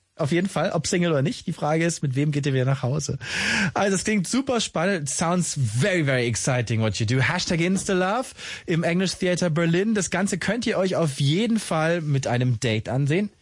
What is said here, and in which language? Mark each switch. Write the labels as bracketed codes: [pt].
[de] Auf jeden Fall, ob Single oder nicht. Die Frage ist, mit wem geht ihr wieder nach Hause? Also es klingt super spannend. [en] It sounds very, very exciting what you do. [de] Hashtag Instalove im English Theater Berlin. Das Ganze könnt ihr euch auf jeden Fall mit einem Date ansehen.